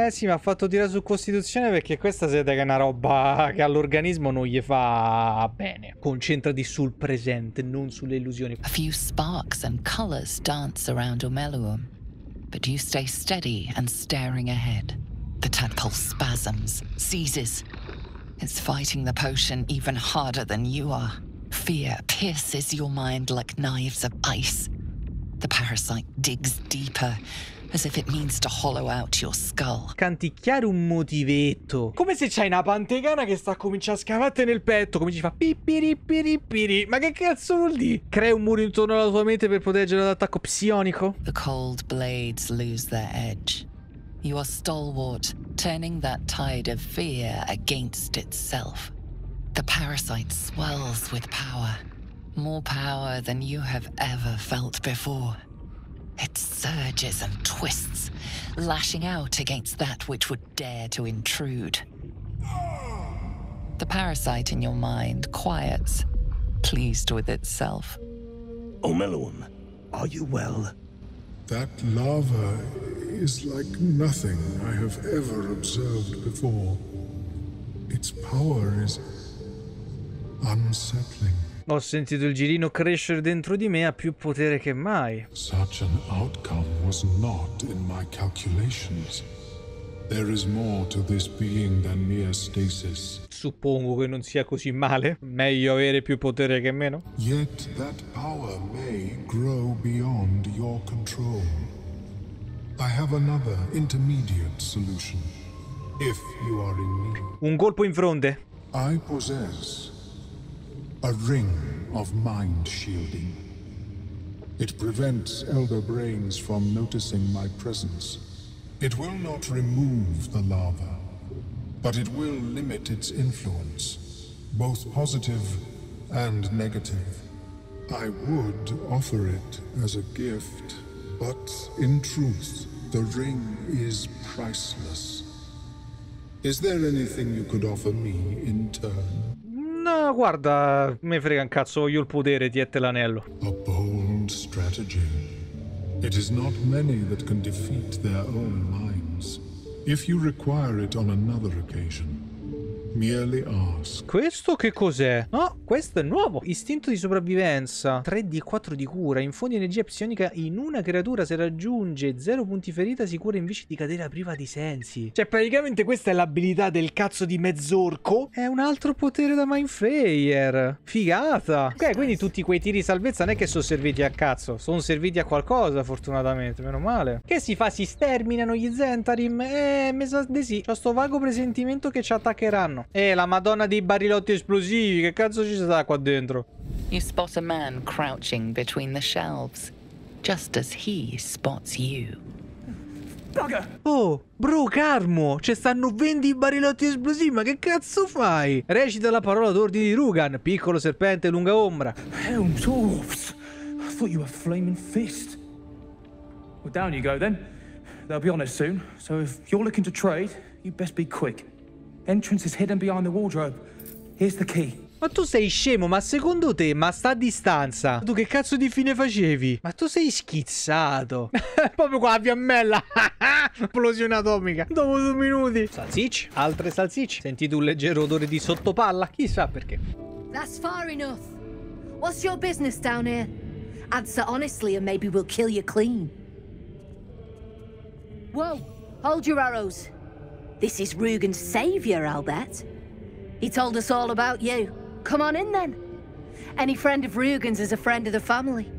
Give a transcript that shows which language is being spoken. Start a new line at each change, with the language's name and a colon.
Italian: Sì, mi ha fatto tirare su costituzione perché questa sede che è una roba che all'organismo non gli fa bene. Concentrati sul presente, non sulle illusioni.
English: A few sparks and colors dance around Omeluum, but you stay steady and staring ahead. The tadpole spasms, seizes. It's fighting the potion even harder than you are. Fear pierces your mind like knives of ice. The parasite digs deeper, as if it means to hollow out your skull.
Italian: Canticchiare un motivetto. Come se c'hai una pantegana che sta a cominciare a scavarti nel petto, come ci fa pipiripiripiri. Ma che cazzo vuol dire? Crea un muro intorno alla tua mente per proteggere dall'attacco psionico.
English: The cold blades lose their edge. You are stalwart, turning that tide of fear against itself. The parasite swells with power. More power than you have ever felt before. It surges and twists, lashing out against that which would dare to intrude. The parasite in your mind quiets, pleased with itself. Omeluum, are you well? That lava is like nothing I have ever observed before. Its power is unsettling.
Italian: Ho sentito il girino crescere dentro di me a più potere che mai.
English: Such an outcome was not in my calculations. There is more to this being than mere stasis.
Italian: Suppongo che non sia così male. Meglio avere più potere che meno.
English: Yet that power may grow beyond your control. I have another intermediate solution. If you are in need.
Italian: Un colpo in fronte.
English: I possess a ring of mind shielding. It prevents elder brains from noticing my presence. It will not remove the lava, but it will limit its influence, both positive and negative. I would offer it as a gift, but in truth, the ring is priceless. Is there anything you could offer me in turn?
Italian: No, guarda, me frega un cazzo, voglio il potere, tiette l'anello.
English: A bold strategy. It is not many that can defeat their own minds. If you require it on another occasion, merely ask.
Italian: Questo che cos'è? No, questo è nuovo. Istinto di sopravvivenza. 3D4 di cura. Infondi energia psionica in una creatura. Se raggiunge 0 punti ferita, si cura invece di cadere priva di sensi. Cioè, praticamente questa è l'abilità del cazzo di mezz'orco. È un altro potere da Mindflayer. Figata. Ok, quindi tutti quei tiri salvezza non è che sono serviti a cazzo. Sono serviti a qualcosa, fortunatamente. Meno male. Che si fa? Si sterminano gli Zentarim? Mi sa di sì. C'ho sto vago presentimento che ci attaccheranno. La Madonna dei barilotti esplosivi, che cazzo ci sta qua dentro?
English: You spot a man crouching between the shelves, just as he spots you. bugger!
Italian: Oh, bro, Carmo! Ci stanno 20 barilotti esplosivi, ma che cazzo fai? Recita la parola d'ordine di Rugan, piccolo serpente lunga ombra.
English: Helm dwarfs! I thought you were flaming fist. Well, down you go then. They'll be on us soon. So if you're looking to trade, you best be quick. Entrance is hidden behind the wardrobe. Here's the key.
Italian: Ma tu sei scemo, ma secondo te, ma sta a distanza? Tu che cazzo di fine facevi? Ma tu sei schizzato. Proprio qua, fiammella. Esplosione atomica. Dopo 2 minuti. Salsicce, altre salsicce. Sentite un leggero odore di sottopalla, chissà perché.
English: That's far enough. What's your business down here? Answer honestly and maybe we'll kill you clean. Whoa, hold your arrows. This is Rugen's savior, I'll bet. He told us all about you. Come on in then. Any friend of Rugen's is a friend of the family.